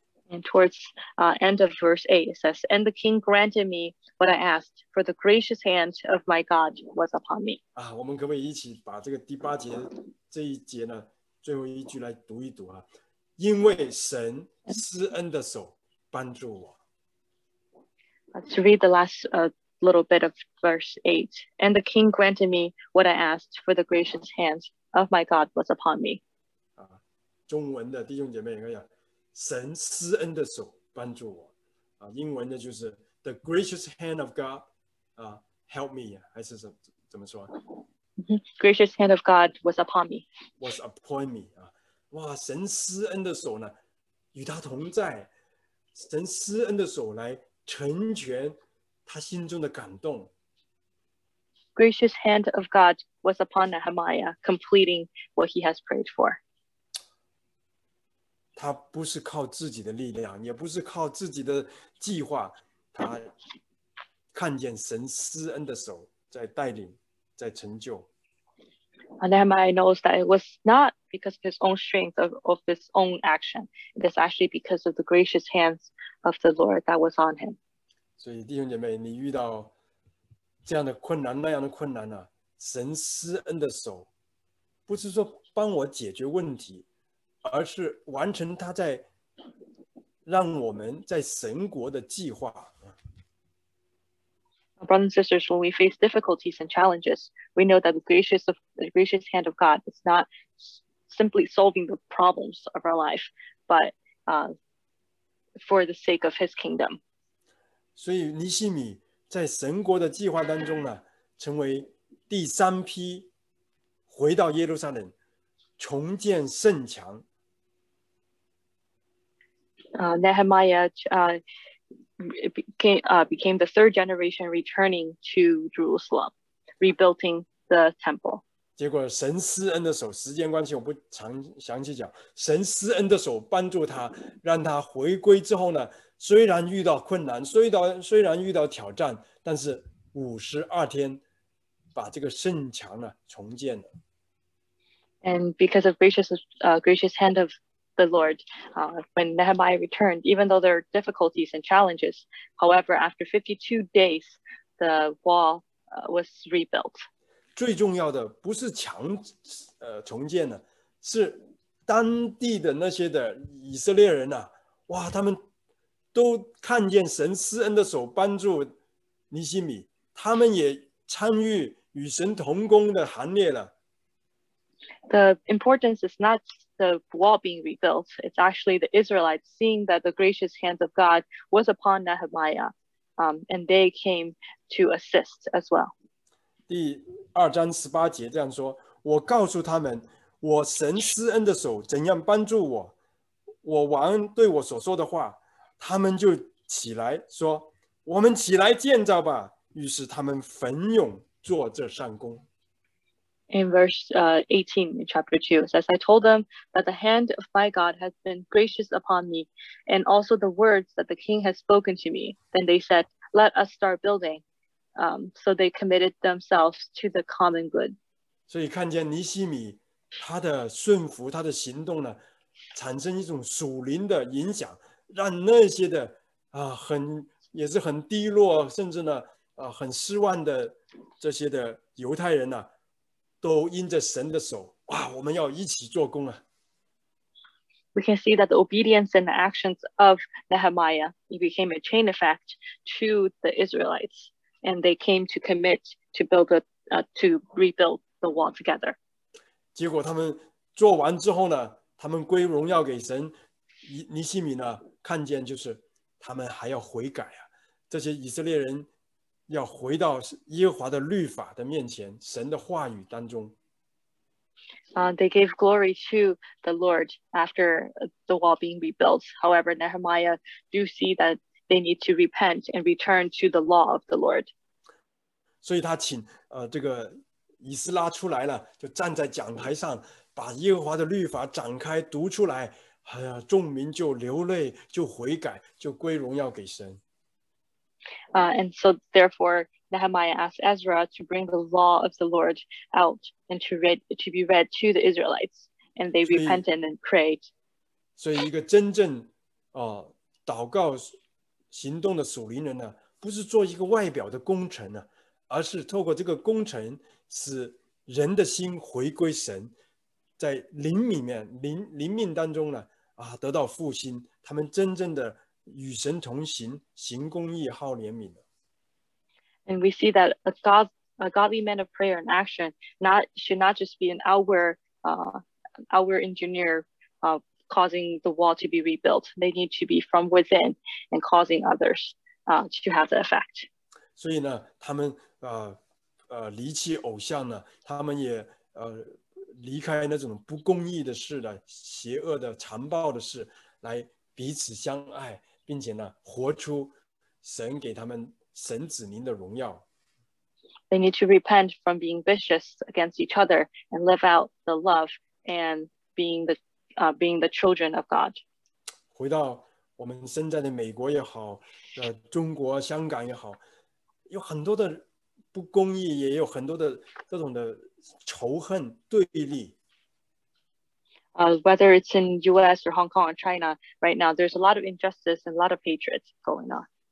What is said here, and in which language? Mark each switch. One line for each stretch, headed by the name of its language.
English: And towards end of verse 8, it says, And the king granted me what I asked, for the gracious hand of my God was upon me.
Chinese: 我们可不可以一起把这个第八节这一节呢，最后一句来读一读啊？因为神施恩的手帮助我。
English: Let's read the last little bit of verse 8. And the king granted me what I asked, for the gracious hand of my God was upon me.
Chinese: 中文的弟兄姐妹可以啊。神施恩的手帮助我，英文的就是
English: The gracious hand of God, help me,
Chinese: 还是怎么说
English: ？Gracious hand of God was upon me. Was upon me,
Chinese: 哇，神施恩的手呢，与他同在，神施恩的手来成全他心中的感动。
English: Gracious hand of God was upon Nehemiah, completing what he has prayed for.
Chinese: 他不是靠自己的力量，也不是靠自己的计划，他看见神施恩的手在带领，在成就。
English: And Nehemiah knows that it was not because of his own strength of his own action. It is actually because of the gracious hands of the Lord that was on him.
Chinese: 所以弟兄姐妹，你遇到这样的困难，那样的困难啊，神施恩的手不是说帮我解决问题。而是完成他在让我们在神国的计划。
English: Brothers and sisters, when we face difficulties and challenges, we know that the gracious hand of God is not simply solving the problems of our life, but for the sake of his kingdom.
Chinese: 所以尼西米在神国的计划当中呢，成为第三批回到耶路撒冷重建圣墙。
English: Nehemiah became the third generation returning to Jerusalem, rebuilding the temple.
Chinese: 结果神施恩的手，时间关系我不详细讲，神施恩的手帮助他，让他回归之后呢，虽然遇到困难，虽然遇到挑战，但是52天把这个圣墙呢重建了。
English: And because of gracious hand of the Lord, when Nehemiah returned, even though there are difficulties and challenges, however, after 52 days, the wall was rebuilt.
Chinese: 最重要的不是墙重建呢，是当地的那些的以色列人呢、啊，哇，他们都看见神施恩的手帮助尼希米，他们也参与与神同工的行列了。
English: The importance is not the wall being rebuilt. It's actually the Israelites seeing that the gracious hand of God was upon Nehemiah, and they came to assist as well.
Chinese: 第二章十八节这样说：我告诉他们，我神施恩的手怎样帮助我，我王对我所说的话，他们就起来说：我们起来建造吧。于是他们奋勇做这善工。
English: In verse 18 in chapter 2, it says, I told them that the hand of my God has been gracious upon me, and also the words that the king has spoken to me. Then they said, let us start building. So they committed themselves to the common good.
Chinese: 所以看见尼希米他的顺服他的行动呢，产生一种属灵的影响，让那些的很也是很低落，甚至呢很失望的这些的犹太人呢、啊。都因着神的手，哇，我们要一起做工啊。
English: We can see that the obedience and the actions of Nehemiah became a chain effect to the Israelites, and they came to commit to build to rebuild the wall together.
Chinese: 结果他们做完之后呢，他们归荣耀给神。尼希米呢，看见就是他们还要悔改啊，这些以色列人。要回到耶和华的律法的面前，神的话语当中。
English: They gave glory to the Lord after the wall being rebuilt. However, Nehemiah do see that they need to repent and return to the law of the Lord.
Chinese: 所以他请这个以斯拉出来了，就站在讲台上，把耶和华的律法展开读出来。哎呀，众民就流泪，就悔改，就归荣耀给神。
English: And so therefore Nehemiah asked Ezra to bring the law of the Lord out and to be read to the Israelites, and they repented and prayed.
Chinese: 所以一个真正祷告行动的属灵人呢，不是做一个外表的工程呢，而是透过这个工程使人的心回归神，在灵里面灵命当中呢得到复兴，他们真正的与神同行，行公义，好怜悯。
English: And we see that a godly man of prayer and action should not just be an outward engineer causing the wall to be rebuilt. They need to be from within and causing others to have the effect.
Chinese: 所以呢，他们离弃偶像呢，他们也离开那种不公义的事的、邪恶的、残暴的事，来彼此相爱。并且呢，活出神给他们神子民的荣耀。
English: They need to repent from being vicious against each other and live out the love and being the children of God.
Chinese: 回到我们身在的美国也好，中国、香港也好，有很多的不公义，也有很多的这种的仇恨对立。
English: Whether it's in U.S. or Hong Kong or China, right now there's a lot of injustice and a lot of hatred going on.